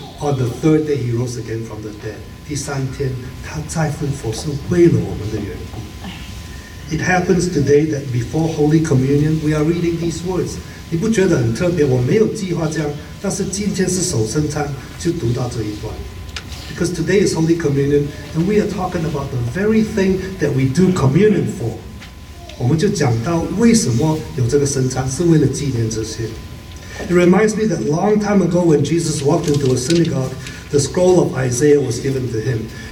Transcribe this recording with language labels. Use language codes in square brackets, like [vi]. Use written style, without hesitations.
[en] On the third day, he rose again from the dead. [zh] 第三天，他再复活是为了我们的缘故。 [en] It happens today that before Holy Communion, we are reading these words. [zh] 你不觉得很特别？我没有计划这样，但是今天是守圣餐，就读到这一段。 [en] Because today is Holy Communion, and we are talking about the very thing that we do communion for. [zh] 我们就讲到为什么有这个圣餐，是为了纪念这些。 [en] It reminds me that long time ago when Jesus walked into a synagogue, the scroll of Isaiah was given to him.